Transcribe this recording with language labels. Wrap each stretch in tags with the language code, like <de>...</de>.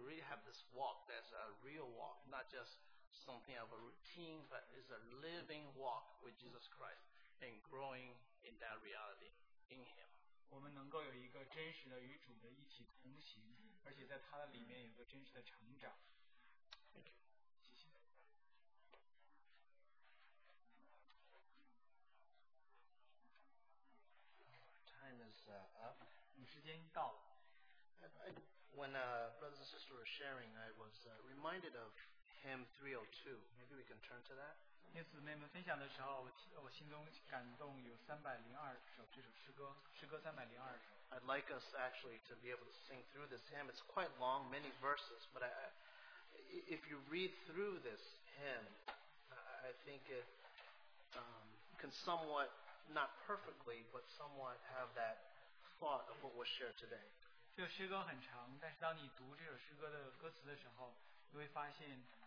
<en>really have this walk, that's a real walk, not just something of a routine, but it's a living walk with Jesus Christ and growing in that reality in Him.</en> <zh>我们能够有一个真实的与主的一起同行，而且在他的里面有个真实的成长。</zh> <en>Thank you.</en> <zh>谢谢。</zh> <en>Time is up.</en> <zh>时间到了。</zh> <en>When brothers and sisters were sharing, I was reminded of hymn 302. Maybe we can turn to that.</en> <zh>因此妹妹分享的时候，我心中感动有302首这首诗歌，诗歌302首。</zh> <en>I'd like us actually to be able to sing through this hymn. It's quite long, many verses, but if you read through this hymn, I think it can somewhat, not perfectly, but somewhat have that thought of what was shared today.</en> <zh>这首诗歌很长，但是当你读这首诗歌的歌词的时候，你会发现。</zh>